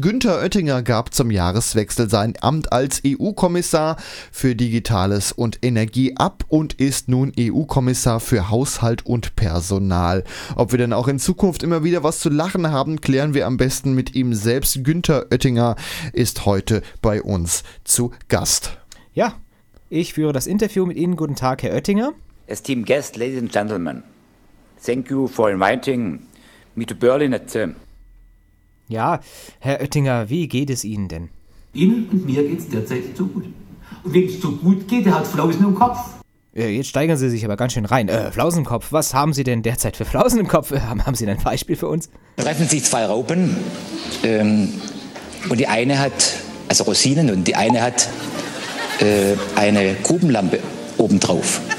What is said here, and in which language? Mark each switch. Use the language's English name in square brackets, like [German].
[German] Günther Oettinger gab zum Jahreswechsel sein Amt als EU-Kommissar für Digitales und Energie ab und ist nun EU-Kommissar für Haushalt und Personal. Ob wir denn auch in Zukunft immer wieder was zu lachen haben, klären wir am besten mit ihm selbst. Günther Oettinger ist heute bei uns zu Gast. Ja, ich führe das Interview mit Ihnen. Guten Tag, Herr Oettinger. [English] Esteemed guests, ladies and gentlemen, thank you for inviting me to Berlin at... [German] Ja, Herr Oettinger, wie geht es Ihnen denn? Ihnen und mir geht es derzeit so gut. Und wem es so gut geht, der hat Flausen im Kopf. Jetzt steigern Sie sich aber ganz schön rein. Flausen im Kopf, was haben Sie denn derzeit für Flausen im Kopf? Haben Sie ein Beispiel für uns? Treffen sich zwei Raupen und die eine hat, also Rosinen, und die eine hat eine Grubenlampe obendrauf.